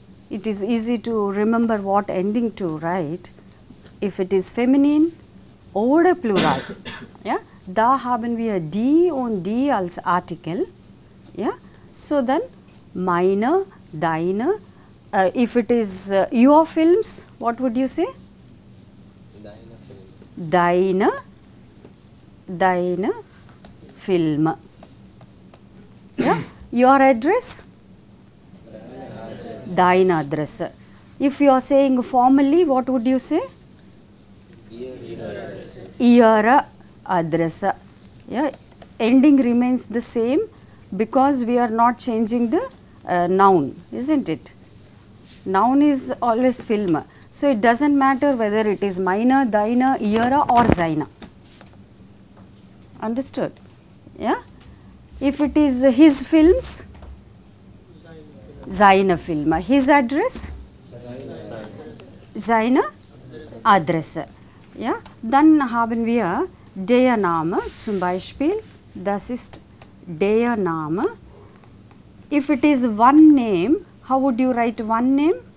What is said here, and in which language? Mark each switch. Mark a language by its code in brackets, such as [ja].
[en] It is easy to remember what ending to write. If it is feminine [de] oder [en] plural. Yeah? [de] Da haben wir die und die als Artikel. [en] Yeah? So then meine, deine. If it is your films, what would you say? [de] Deine Film. Deine Film. [en] Yeah? Your address? [de] Deine Adresse. Deine Adresse. [en] If you are saying formally, what would you say? [de] Ihre Adresse. Yeah? [en] Ending remains the same because we are not changing the noun, isn't it? Noun is always film. So it doesn't matter whether it is meine, deine, ihre or seine. Understood? Yeah? If it is his films? [de] Seine Filme. [en] His address? [de] Seine Adresse. Ja, dann haben wir der Name, zum Beispiel, das ist der Name. [en] If it is one name, how would you write one name?